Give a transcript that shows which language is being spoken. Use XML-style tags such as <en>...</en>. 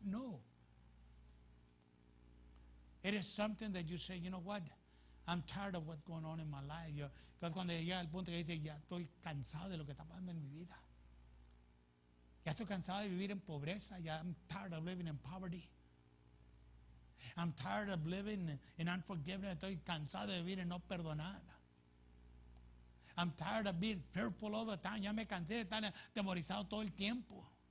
<en>No. It is something that you say, you know what? I'm tired of what's going on in my life.</en> <es>Because cuando llega el punto que dice, ya estoy cansado de lo que está pasando en mi vida. Ya estoy cansado de vivir en pobreza. Ya</es> <en>I'm tired of living in poverty. I'm tired of living in unforgiveness.</en> <es>Estoy cansado de vivir en no perdonar.</es> <en>I'm tired of being fearful all the time.</en> <es>Ya me cansé de estar temorizado todo el tiempo.</es>